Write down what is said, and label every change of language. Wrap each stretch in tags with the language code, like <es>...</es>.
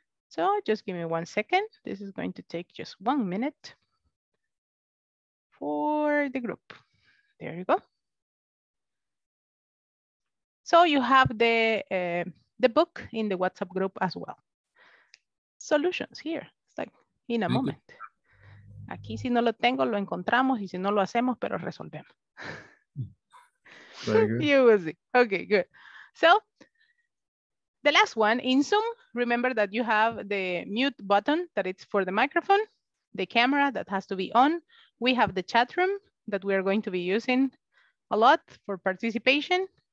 <en>So just give me 1 second. This is going to take just 1 minute for the group. There you go. So you have the book in the WhatsApp group as well. Solutions here, it's like in a moment.</en> <es>Aquí si no lo tengo, lo encontramos y si no lo hacemos, pero resolvemos.</es> <en>You will see. Okay, good. So, the last one in Zoom, remember that you have the mute button that it's for the microphone, the camera that has to be on. We have the chat room that we are going to be using a lot for participation.</en>